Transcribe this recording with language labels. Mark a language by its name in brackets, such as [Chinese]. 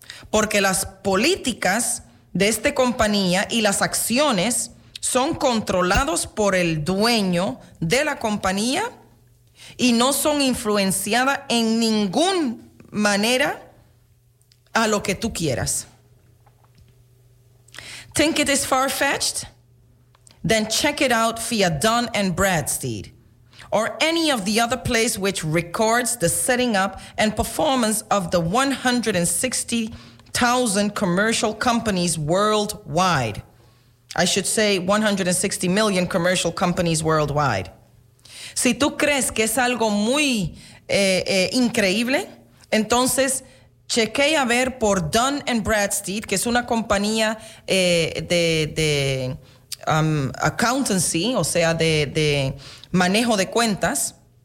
[Spanish] Porque las políticas de esta compañía y las acciones son controlados por el dueño de la compañía y no son influenciadas en ningún manera a lo que tú quieras. [English] Think it is far-fetched? Then check it out via Dun and Bradstreet or any of the other place which records the setting up and performance of the 160,000 commercial companies worldwide. I should say 160 million commercial companies worldwide. [Spanish] Si tú crees que es algo muy increíble, entonces chequea a ver por Dun and Bradstreet, que es una compañía de accountancy, o sea, de manejo de cuentas,